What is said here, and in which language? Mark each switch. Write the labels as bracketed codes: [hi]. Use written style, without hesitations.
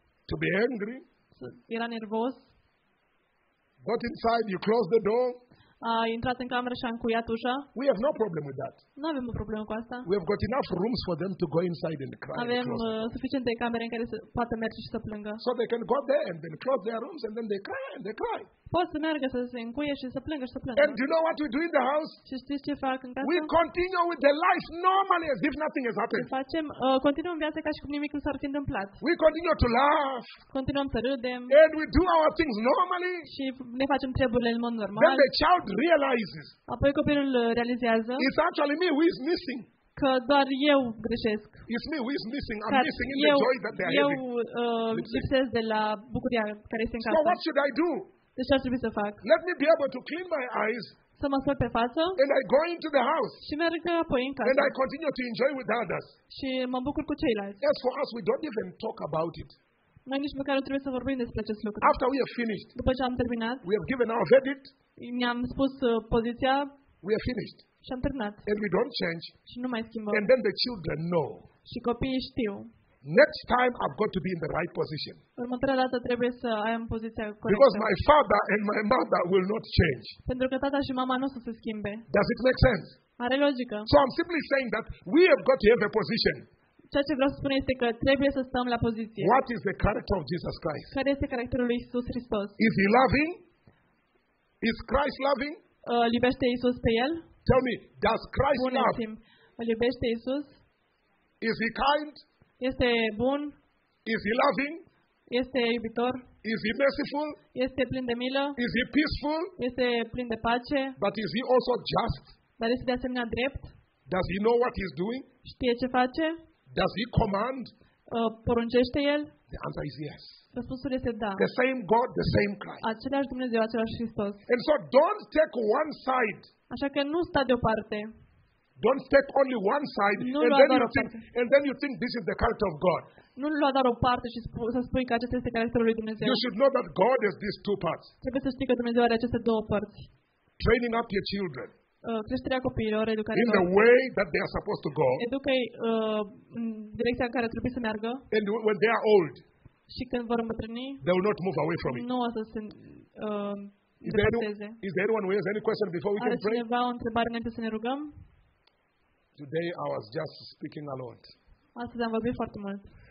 [en] To be angry. [ro] Era nervos. [en] Got inside, you closed the door. [ro] A intrat în cameră și a încuiat ușa. [en] We have no problem with that. [ro] Nu avem o problemă cu asta. [en] We have got enough rooms for them to go inside and cry. [ro] Avem suficiente camere în care să poată merge și să plângă. [en] So they can go there and then close their rooms and then they cry and they cry. [ro] pot să meargă să se încuie și să plângă și să plângă. [en] And do you know what we do in the house? [ro] Și știți ce fac în casă? [en] We continue with the life normally as if nothing has happened. [ro] Facem, continuăm viața ca și cum nimic nu s-ar fi întâmplat. [en] We continue to laugh. [ro] Continuăm să râdem. [en] And we do our things normally. [ro] Și ne facem treburile în mod normal. [en] Then the child realizes. [ro] Apoi copilul realizează. [en] It's actually me who is missing. [ro] Că doar eu greșesc. [en] It's me who is missing. I'm missing in the joy that they are [ro] eu, [en] having. [ro] Eu lipsesc de la bucuria care este în casă. [en] So what should I do? [ro] Deci ce ar trebui să fac? [en] Let me be able to clean my eyes. [ro] Să mă scot pe față. [en] And I go into the house. [ro] Și merg apoi în casă. [en] And I continue to enjoy with others. [ro] Și mă bucur cu ceilalți. [en] As for us, we don't even talk about it. [ro] Noi nici măcar nu trebuie să vorbim despre acest lucru. [en] After we have finished. [ro] După ce am terminat. [en] We have given our verdict. [ro] Ne-am spus poziția. [en] We have finished. [ro] Și am terminat. [en] And we don't change. [ro] Și nu mai schimbăm. [en] And then the children know. [ro] Și copiii știu. [en] Next time I've got to be in the right position. [ro] Următoarea dată trebuie să am poziția corectă. [en] Because my father and my mother will not change. [ro] Pentru că tata și mama nu o să se schimbe. [en] Does it make sense? [ro] Are logică. [en] So I'm simply saying that we have got to have a position. [ro] Ceea ce vreau să spun este că trebuie să stăm la poziție. [en] What is the character of Jesus Christ? [ro] Care este caracterul lui Iisus Hristos? [en] Is he loving? Is Christ loving? [ro] Îl iubește Iisus pe el? [en] Tell me, does Christ love? [ro] Îl iubește Iisus? [en] Is he kind? [ro] Este bun? [en] Is he loving? [ro] Este iubitor? [en] Is he merciful? [ro] Este plin de milă? [en] Is he peaceful? [ro] Este plin de pace? [en] But is he also just? [ro] Dar este de asemenea drept? [en] Does he know what he's doing? [ro] Știe ce face? [en] Does he command? [ro] Poruncește el? [en] The answer is yes. [ro] Răspunsul este da. [en] The same God, the same Christ. [ro] Același Dumnezeu, același Hristos. [en] And so don't take one side. [ro] Așa că nu sta deoparte. [en] Don't take only one side and then you think this is the character of God. [ro] Nu lua doar o parte și să spui că acesta este caracterul lui Dumnezeu. [en] You should know that God has these two parts. [ro] Trebuie să știi că Dumnezeu are aceste două părți. [en] Training up your children. [ro] Creșterea copiilor, educarea lor. [en] In the way that they are supposed to go. [ro] Educa-i în direcția în care trebuie să meargă. [en] And when they are old. [ro] Și când vor îmbătrâni. [en] They will not move away from it. [ro] Nu o să se [en] Is there anyone who has any question before we are can pray? [ro] Cineva o întrebare înainte să ne rugăm? [en] Today I was just speaking a lot. [ro] Astăzi am vorbit foarte mult.